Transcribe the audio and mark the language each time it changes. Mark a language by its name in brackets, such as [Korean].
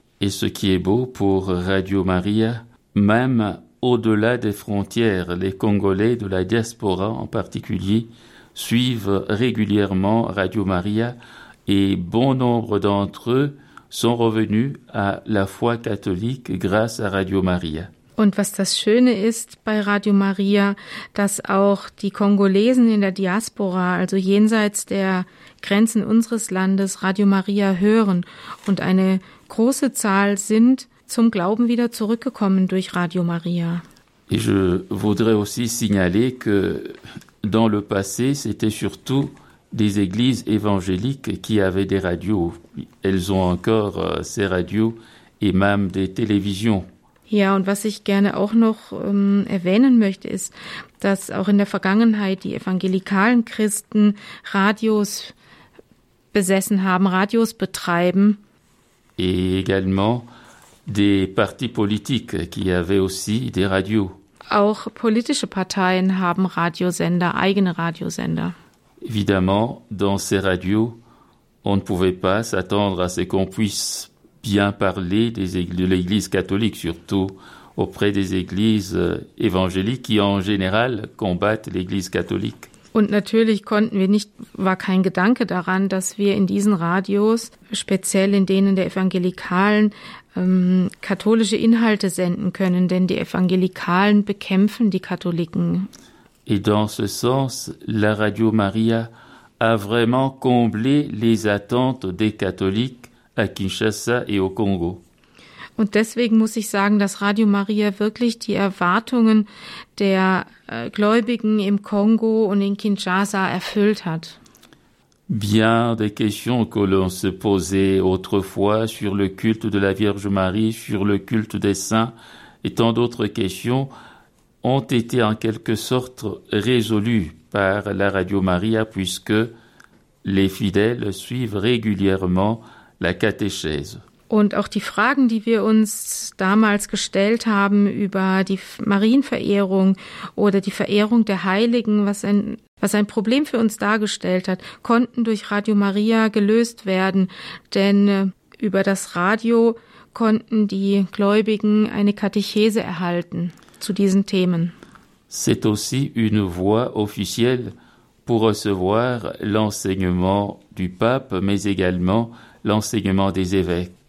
[French] Et ce qui est beau pour Radio Maria, même au-delà des frontières, les Congolais de la diaspora en particulier suivent régulièrement Radio Maria et bon nombre d'entre eux sont revenus à la foi catholique grâce à Radio Maria. [German] Und was das Schöne ist bei Radio Maria, dass auch die Kongolesen in der Diaspora, also jenseits der Grenzen unseres Landes, Radio Maria hören und eine große Zahl sind zum Glauben wieder zurückgekommen durch Radio Maria. [French] Et je voudrais aussi signaler que dans le passé, c'était surtout des églises évangéliques qui avaient des radios. Elles ont encore ces radios et même des télévisions. [German] Ja, und was ich gerne auch noch erwähnen möchte, ist, dass auch in der Vergangenheit die evangelikalen Christen Radios besessen haben, Radios betreiben. [French] Et également des partis politiques qui avaient aussi des radios. [German] Auch politische Parteien haben Radiosender, eigene Radiosender. [French] Évidemment, dans ces radios, on ne pouvait pas s'attendre à ce qu'on puisse bien parler de l'Église catholique, surtout auprès des églises évangéliques qui, en général, combattent l'Église catholique. [German] Und natürlich konnten wir nicht, war kein Gedanke daran, dass wir in diesen Radios, speziell in denen der Evangelikalen, katholische Inhalte senden können, denn die Evangelikalen bekämpfen die Katholiken. [French] Et dans ce sens, la Radio Maria a vraiment comblé les attentes des Catholiques à Kinshasa et au Congo. [German] Und deswegen muss ich sagen, dass Radio Maria wirklich die Erwartungen der Gläubigen im Kongo und in Kinshasa erfüllt hat. [French] Bien des questions que l'on se posait autrefois sur le culte de la Vierge Marie, sur le culte des saints et tant d'autres questions ont été en quelque sorte résolues par la Radio Maria puisque les fidèles suivent régulièrement la catéchèse. [German] Und auch die Fragen, die wir uns damals gestellt haben über die Marienverehrung oder die Verehrung der Heiligen, was ein Problem für uns dargestellt hat, konnten durch Radio Maria gelöst werden. Denn über das Radio konnten die Gläubigen eine Katechese erhalten zu diesen Themen. [French] C'est aussi une voie officielle pour recevoir l'enseignement du Pape, mais également l'enseignement des évêques.